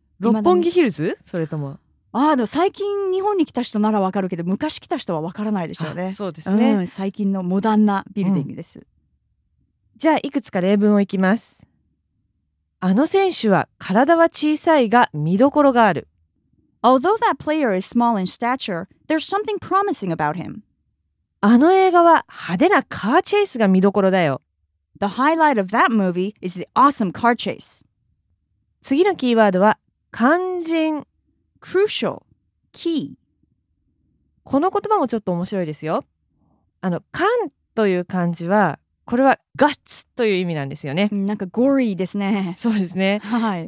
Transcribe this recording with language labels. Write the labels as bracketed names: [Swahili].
[Japanese] 六本木ヒルズ？それとも？ああ、でも最近日本に来た人ならわかるけど、昔来た人はわからないでしょうね。そうですね、うん。最近のモダンなビルディングです。じゃあいくつか例文をいきます。あの選手は体は小さいが見どころがある。 [English] Although that player is small in stature, there's something promising about him. [Japanese] あの映画は派手なカーチェイスが見どころだよ。 [English] The highlight of that movie is the awesome car chase. [Japanese] 次のキーワードは肝心。 [English] Crucial, key. [Japanese] この言葉もちょっと面白いですよ。肝という漢字は、これはガッツという意味なんですよね。なんかゴリーですね。そうですね。はい。